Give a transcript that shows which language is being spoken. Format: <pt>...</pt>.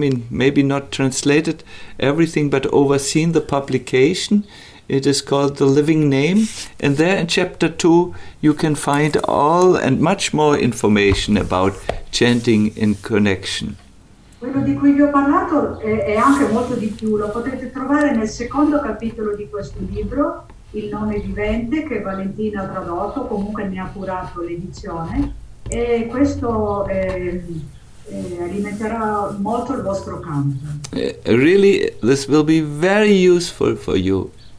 <en>Maybe not translated everything, but overseen the publication. It is called The Living Name. And there in chapter 2, you can find all and much more information about chanting in connection.</en> <it>Quello di cui vi ho parlato è anche molto di più, lo potete trovare nel secondo capitolo di questo libro, Il nome vivente, che Valentina ha tradotto, comunque ne ha curato l'edizione, e questo alimenterà molto il vostro canto.</it> <en>Really, this will be very useful for you.</en>